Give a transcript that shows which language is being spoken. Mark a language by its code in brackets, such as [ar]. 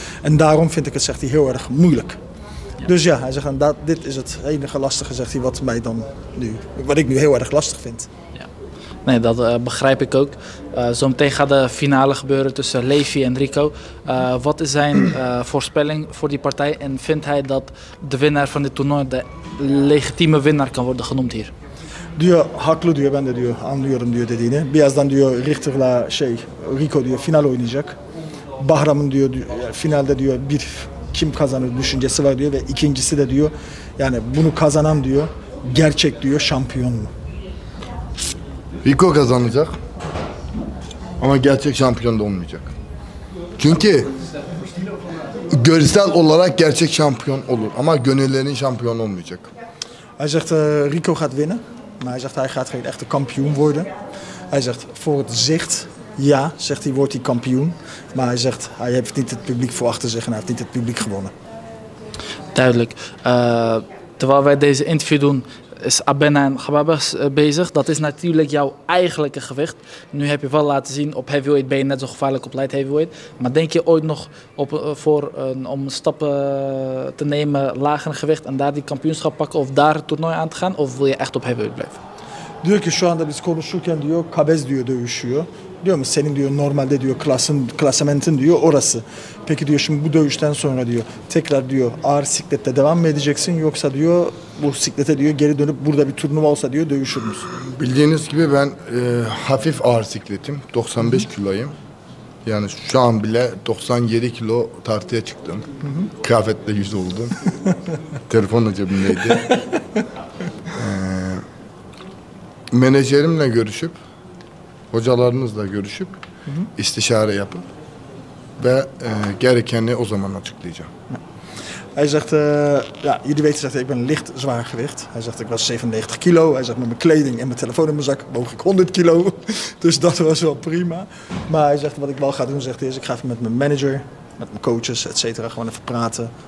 [nl] En daarom vind ik het, zegt hij, heel erg moeilijk. Ja. Dus ja, hij zegt, en dat, dit is het enige lastige, zegt hij, wat mij dan nu, wat ik nu heel erg lastig vind. Ja. Nee, dat begrijp ik ook. Zometeen gaat de finale gebeuren tussen Levi en Rico. Wat is zijn voorspelling voor die partij? En vindt hij dat de winnaar van dit toernooi de legitieme winnaar kan worden genoemd hier? [tr] Diyor, haklı diyor, ben de diyor, anlıyorum diyor dediğini. Birazdan diyor, Richter'la şey, Rico diyor, final oynayacak. Bahram'ın diyor, finalde diyor, bir kim kazanır düşüncesi var diyor. Ve ikincisi de diyor, yani bunu kazanan diyor, gerçek diyor, şampiyon mu? Rico kazanacak. Ama gerçek şampiyon da olmayacak. Çünkü görsel olarak gerçek şampiyon olur. Ama gönüllerin şampiyonu olmayacak. [nl] Hij zegt Rico gaat winnen. Maar hij zegt hij gaat geen echte kampioen worden. Hij zegt voor het zicht Ja, zegt hij, wordt hij kampioen. Maar hij zegt, hij heeft niet het publiek voor achter zich en hij heeft niet het publiek gewonnen. Duidelijk. Terwijl wij deze interview doen, is Abena en Gababas bezig. Dat is natuurlijk jouw eigenlijke gewicht. Nu heb je wel laten zien, op heavyweight ben je net zo gevaarlijk op light heavyweight. Maar denk je ooit nog om stappen te nemen, lager gewicht en daar die kampioenschap pakken of daar het toernooi aan te gaan? Of wil je echt op heavyweight blijven? [tr] Diyor ki şu anda biz konuşurken diyor Kabez diyor dövüşüyor. Diyor mu senin diyor normalde diyor klasamentin diyor orası. Peki diyor şimdi bu dövüşten sonra diyor tekrar diyor ağır siklette devam mı edeceksin yoksa diyor bu siklete diyor geri dönüp burada bir turnuva olsa diyor dövüşür müsün? Bildiğiniz gibi ben hafif ağır sikletim. 95 kiloyum. Yani şu an bile 97 kilo tartıya çıktım. Kıyafetle yüz oldum. Telefon da cebimdeydi. Menajerimle görüşüp, hocalarımızla görüşüp, istişare yapıp ve gerekeni o zaman açıklayacağım. [nl] Hij zegt, jullie weten, zegt hij, ik ben licht zwaar gewicht. Hij zegt, ik was 97 kilo. Hij zegt, met mijn kleding en mijn telefoon in mijn zak woog ik 100 kilo. Dus dat was wel prima. Maar hij zegt, wat ik wel ga doen, zegt hij, is ik ga even met mijn manager, met mijn coaches, et cetera, gewoon even praten.